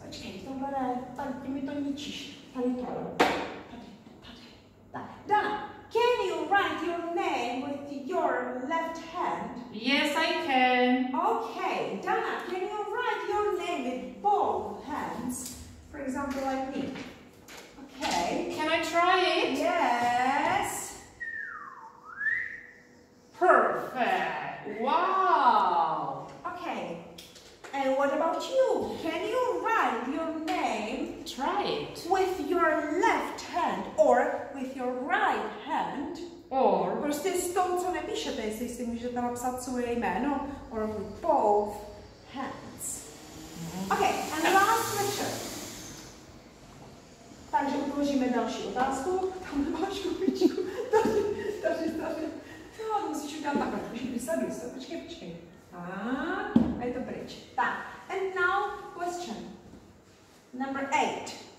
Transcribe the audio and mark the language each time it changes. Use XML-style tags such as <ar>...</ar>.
<cs>Počkej, tohle, tady mi to ničíš. Tady to. Tady.</cs> <en>Dana, can you write your name with your left hand? Yes, I can. Okay. Dana, can you write your name with both hands? For example, like me. Okay. Can I try it? Yes. Perfect. Wow. Okay. And what about you? Can you write your name? Try it. With your left hand or with your right hand? Or</en> <cs>prostě s tom, co nepíšete, jestli si můžete napsat svoje jméno,</cs> <en>or with both hands. Okay, and last question.</en> <cs>Takže uložíme další otázku. Tam máš kubičku. Tady. No, musíš udělat takhle, musíš vysadu se. Počkej. A je to pryč.</cs> <en>Tak, and now question number 8.</en>